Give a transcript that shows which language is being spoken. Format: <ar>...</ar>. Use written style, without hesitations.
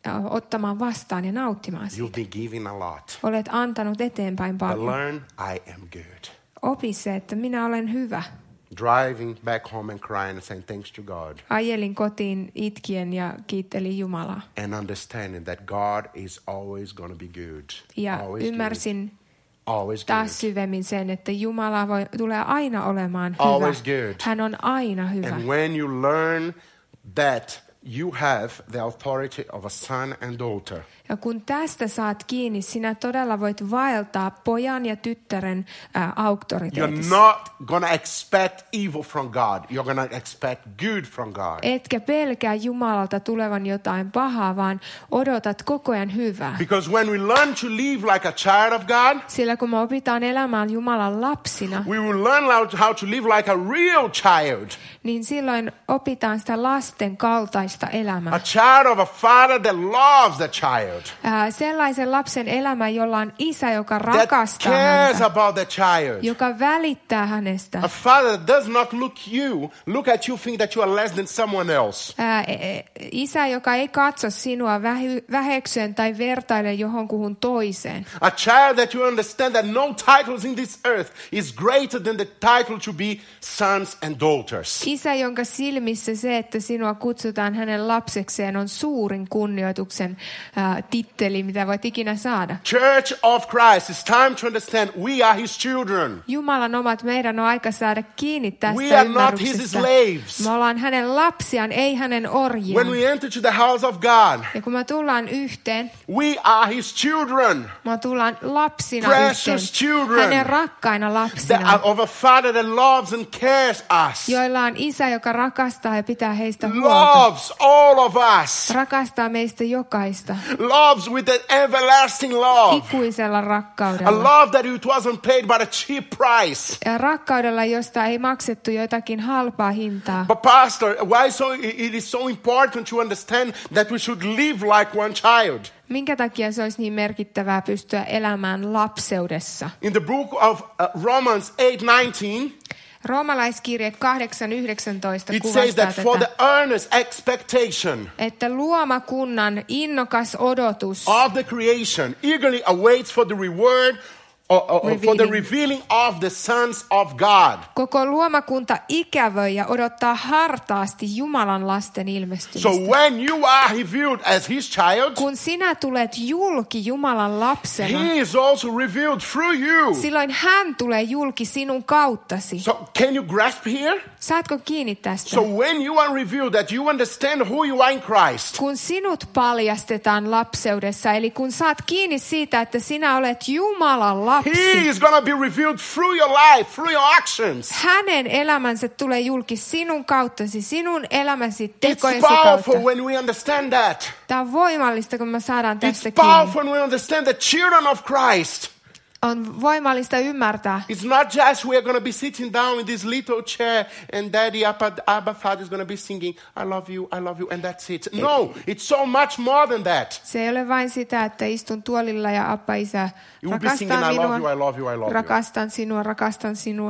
<fi>Ottamaan vastaan ja nauttimaan siitä.</fi> <en>You've been giving a lot.</en> <fi>Olet antanut eteenpäin paljon.</fi> <en>But learn, I am good.</en> <fi>Opi se, että minä olen hyvä.</fi> <en>Driving back home and crying and saying thanks to God.</en> <fi>Ajelin kotiin itkien ja kiittelin Jumalaa.</fi> <en>And understanding that God is always going to be good.</en> <fi>Ja</fi> <en>always</en> <fi>ymmärsin</fi> <en>good. Always</en> <fi>taas</fi> <en>good.</en> <fi>Syvemmin sen, että Jumala voi, tulee aina olemaan hyvä.</fi> <en>Always good.</en> <fi>Hän on aina hyvä.</fi> <en>And when you learn that you have the authority of a son and daughter.</en> <fi>Ja kun tästä saat kiinni, sinä todella voit vaeltaa pojan ja tyttären auktoriteetissa.</fi> <en>You're not gonna expect evil from God. You're gonna expect good from God.</en> <fi>Etkä pelkää Jumalalta tulevan jotain pahaa, vaan odotat koko ajan hyvää.</fi> <en>Because when we learn to live like a child of God,</en> <fi>sillä kun me opitaan elämään Jumalan lapsina,</fi> <en>we will learn how to live like a real child.</en> <fi>Niin silloin opitaan sitä lasten kaltaista elämää.</fi> <en>A child of a father that loves the child.</en> <fi>Sellaisen lapsen elämä, jolla on isä, joka rakastaa häntä, joka välittää hänestä.</fi> <en>A father does not look at you, think that you are less than someone else.</en> <fi>Isä, joka ei katso sinua väheksyen tai vertaile johonkuhun toiseen.</fi> <en>A child that you understand that no titles in this earth is greater than the title to be sons and daughters.</en> <fi>Isä, jonka silmissä se, että sinua kutsutaan hänen lapsekseen, on suurin kunnioituksen titteli, mitä voit ikinä saada.</fi> <en>Church of Christ, it's time to understand we are his children.</en> <fi>Jumalan omat, meidän on aika saada kiinni tästä ymmärryksestä.</fi> <en>We are not his slaves.</en> <fi>Me ollaan hänen lapsiaan, ei hänen orjiaan.</fi> <en>When we enter to the house of God,</en> <fi>ja kun me tullaan yhteen,</fi> <en>we are his children.</en> <fi>Me tullaan lapsina</fi> <en>precious</en> <fi>yhteen.</fi> <en>Precious children.</en> <fi>Hänen rakkaina lapsina.</fi> <en>That are of a father that loves and cares us.</en> <fi>Joilla on isä, joka rakastaa ja pitää heistä huolta.</fi> <en>Loves all of us.</en> <fi>Rakastaa meistä jokaista.</fi> <en>Loves with an everlasting love.</en> <fi>Ikuisella rakkaudella.</fi> <en>A love that it wasn't paid but a cheap price.</en> <fi>Ja rakkaudella, josta ei maksettu jotakin halpaa hintaa.</fi> <en>But pastor, why so it is so important to understand that we should live like one child?</en> <fi>Minkä takia se olisi niin merkittävää pystyä elämään lapseudessa?</fi> <en>In the book of Romans 8:19.</en> <fi>Roomalaiskirje 8:19 kuvastaa tätä.</fi> <en>It says that for the earnest expectation.</en> <fi>Että luomakunnan innokas odotus.</fi> <en>Of the creation eagerly awaits for the reward for the revealing of the sons of God.</en> <fi>Koko luomakunta ikävöi ja odottaa hartaasti Jumalan lasten ilmestymistä.</fi> <en>So when you are revealed as his child,</en> <fi>kun sinä tulet julki Jumalan lapsena,</fi> <en>he is also revealed through you.</en> <fi>Silloin hän tulee julki sinun kauttasi.</fi> <en>So can you grasp here?</en> <fi>Saatko kiinni tästä?</fi> <en>So when you are revealed that you understand who you are in Christ.</en> <fi>Kun sinut paljastetaan lapseudessa, eli kun saat kiinni siitä, että sinä olet Jumalan lapsi.</fi> <en>He is going to be revealed through your life, through your actions.</en> <fi>Hänen elämänsä tulee julki sinun kauttasi, sinun elämäsi tekojesi kautta.</fi> <en>It's powerful when we understand that.</en> <fi>Tämä on voimallista, kun me saadaan tästä kiinni.</fi> <en>It's powerful when we understand the children of Christ.</en> <fi>On voimallista ymmärtää.</fi> <en>It's not just we are going to be sitting down in this little chair and daddy Abba Father is going to be singing I love you and that's it. No, it's so much more than that.</en> <fi>Se ei ole vain sitä, että istun tuolilla ja Abba Isä rakastan minua.</fi> <en>I love you, I love you.</en> <fi>Rakastan sinua, rakastan sinua.</fi>